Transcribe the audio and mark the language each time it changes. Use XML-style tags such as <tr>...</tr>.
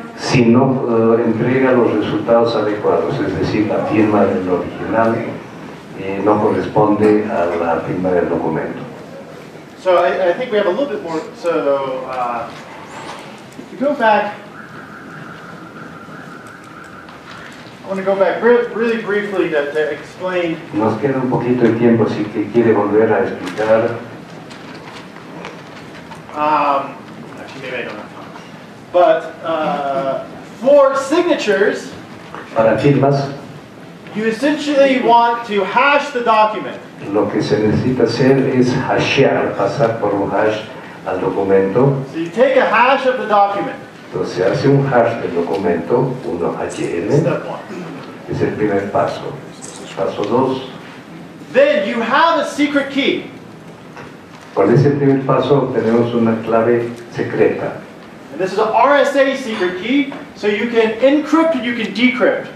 <es>Si no entrega los resultados adecuados, es decir, la firma del original no corresponde a la firma del documento.</es> <en>So I think we have a little bit more. So if you go back. I want to go back really briefly to explain.</en> <es>Nos queda un poquito de tiempo, así que quiere volver a explicar.</es> <en>Actually, maybe I don't have time. But for signatures,</en> <es>para firmas,</es> <en>you essentially want to hash the document.</en> <es>Lo que se necesita hacer es hashear, pasar por un hash al documento.</es> <en>So you take a hash of the document.</en> <es>Entonces hace un hash del documento, uno HN, es el primer paso. Paso 2.</es> <en>Then you have a secret key.</en> <es>Con ese primer paso tenemos una clave secreta.</es> <en>And this is a RSA secret key, so you can encrypt and you can decrypt.</en>